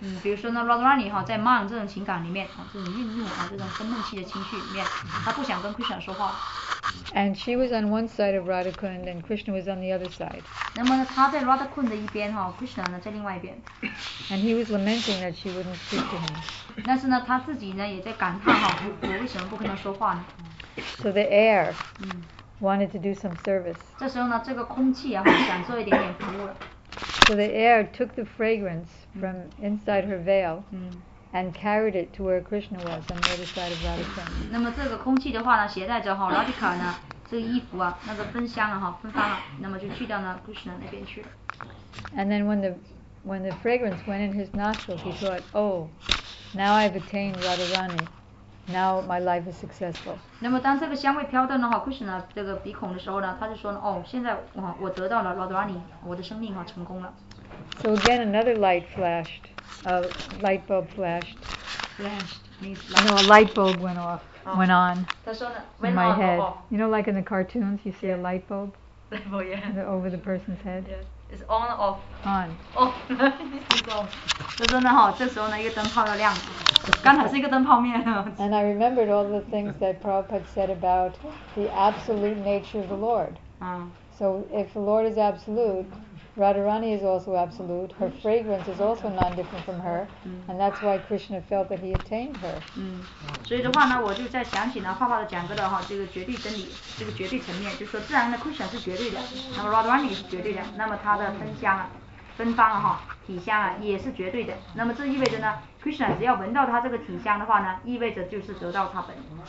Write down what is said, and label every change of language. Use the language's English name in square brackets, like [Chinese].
[Chinese] 比如说呢 ，Radharani 哈，在 Man 这种情感里面，这种愠怒啊，这种生闷气的情绪里面，她不想跟 Krishna 说话。 [English] And she was on one side of Radhakund and Krishna was on the other side. [Chinese] 那么他在 Radhakund 的一边哈 ，Krishna 呢在另外一边。 [English] And he was lamenting that she wouldn't speak to him. [Chinese] 但是呢，他自己呢也在感叹哈，我为什么不跟他说话呢 [English] ？So the air wanted to do some service. [Chinese] 这时候呢，这个空气啊，想做一点点服务了。 [English] So the air took the fragrance from inside her veil. And carried it to where Krishna was on the other side of Radhakund. [Chinese] 那么这个空气的话呢，携带着哈 Radhika 呢，这个衣服啊，那个芬香了哈，芬芳了，那么就去到了 Krishna 那边去了。 [English] And then when the fragrance went in his nostrils, he thought, Oh, now I've attained Radharani. Now my life is successful. [Chinese] 那么当这个香味飘到了哈 Krishna 这个鼻孔的时候呢，他就说了，哦，现在我得到了 Radharani， 我的生命哈成功了。 [English] So again, another light flashed. A light bulb flashed. Flashed. I know a light bulb went off. Went on. In my head. You know, like in the cartoons, you see a light bulb. Light bulb, yeah. Over the person's head. Yeah. It's on or off. On. Off. [Chinese] 真的哈，这时候呢，一个灯泡要亮。刚才是一个灯泡灭了。 [English] And I remembered all the things that Prabhupada said about the absolute nature of the Lord. So if the Lord is absolute. Radharani is also absolute. Her fragrance is also non-different from her, and that's why Krishna felt that he attained her. [Chinese] 所以的话呢，我就在想起呢，画画的讲过的哈，这个绝对真理，这个绝对层面，就是说自然的 Krishna 是绝对的，那么 Radharani 是绝对的，那么它的芬香啊，芬芳啊哈，体香啊也是绝对的。那么这意味着呢 ，Krishna 只要闻到它这个体香的话呢，意味着就是得到它本人。